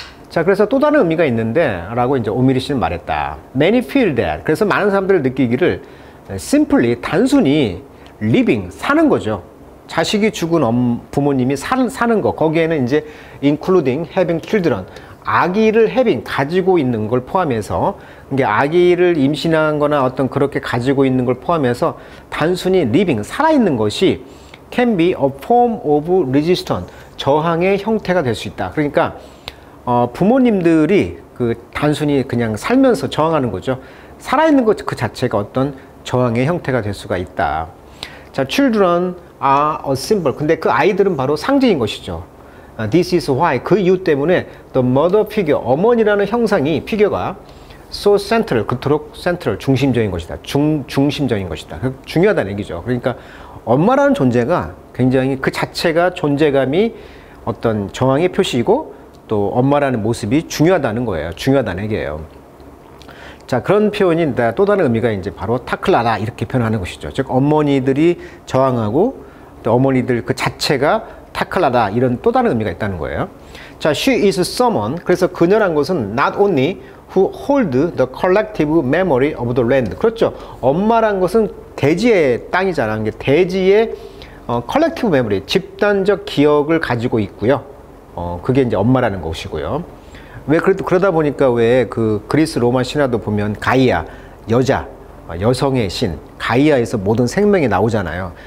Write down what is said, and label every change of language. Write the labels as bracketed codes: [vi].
[ko] 자, 그래서 또 다른 의미가 있는데 라고 이제 오미리 씨는 말했다. [en] Many feel that. [ko] 그래서 많은 사람들을 느끼기를 simply, 단순히 living, 사는 거죠. 자식이 죽은 부모님이 사는 거. 거기에는 이제 [en] including having children. [ko] 아기를 having, 가지고 있는 걸 포함해서 그러니까 아기를 임신한 거나 어떤 그렇게 가지고 있는 걸 포함해서 단순히 living, 살아있는 것이 [en] can be a form of resistance, [ko] 저항의 형태가 될 수 있다. 그러니까 부모님들이 그 단순히 그냥 살면서 저항하는 거죠. 살아있는 것 그 자체가 어떤 저항의 형태가 될 수가 있다. [en] 자, children are a symbol. [ko] 근데 그 아이들은 바로 상징인 것이죠. [en] This is why. [ko] 그 이유 때문에 [en] the mother figure, [ko] 어머니라는 형상이, 피겨가 [en] so central, [ko] 그토록 central, 중심적인 것이다. 중심적인 것이다. 중요하다는 얘기죠. 그러니까 엄마라는 존재가 굉장히 그 자체가 존재감이 어떤 정황의 표시이고 또 엄마라는 모습이 중요하다는 거예요. 중요하다는 얘기예요. 자, 그런 표현이 또 다른 의미가 이제 바로 타클라라 이렇게 표현하는 것이죠. 즉 어머니들이 저항하고 또 어머니들 그 자체가 타클라라 이런 또 다른 의미가 있다는 거예요. [en] 자, she is someone. [ko] 그래서 그녀란 것은 [en] not only who hold the collective memory of the land. [ko] 그렇죠. 엄마란 것은 대지의 땅이잖아. 이게 대지의 collective memory, 집단적 기억을 가지고 있고요. 그게 이제 엄마라는 것이고요. 왜 그래도 그러다 보니까 왜 그 그리스 로마 신화도 보면 가이아, 여자, 여성의 신, 가이아에서 모든 생명이 나오잖아요.